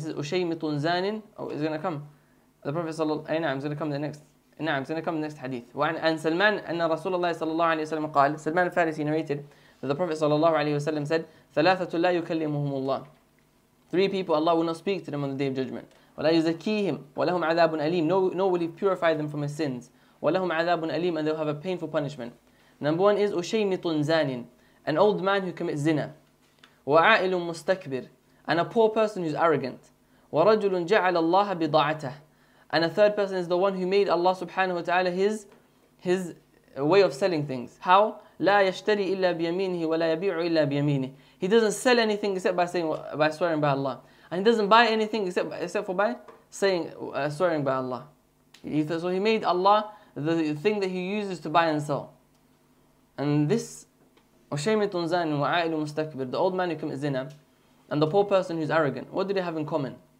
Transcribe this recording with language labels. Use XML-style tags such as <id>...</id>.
<en>He says ushaymitun zanin, oh, is going to come. The Prophet sallallahu alaihi wasallam is going to come the next hadith. And Salman anna Rasulullah sallallahu alaihi wasallam qala, Salman al-Farisi narrated that the Prophet sallallahu alaihi wasallam said thalathatu la yukallimuhum Allah. Three people Allah will not speak to them on the day of judgment.</en> <ar>ولا يزكيهم ولهم عذاب أليم.</ar> <en>No will he purify them from his sins.</en> <ar>ولهم عذاب أليم,</ar> <en>and they'll have a painful punishment. Number one is</en> <ar>أشيمط زان,</ar> <en>an old man who commits zina.</en> <ar>وعائل مستكبر,</ar> <en>and a poor person who's arrogant.</en> <ar>ورجل جعل الله بضاعته,</ar> <en>and a third person is the one who made Allah subhanahu wa ta'ala his way of selling things. How?</en> <ar>لا يشتري إلا بيمينه ولا يبيع إلا بيمينه.</ar> <en>He doesn't sell anything except by swearing by Allah. And he doesn't buy anything except for swearing by Allah. So he made Allah the thing that he uses to buy and sell. And this,</en> <ar>وَشَيْمِتُنْ زَانٍ وَعَائِلُ مُسْتَكْبِرٍ,</ar> <en>the old man who commits zina, and the poor person who's arrogant, what do they have in common?</en>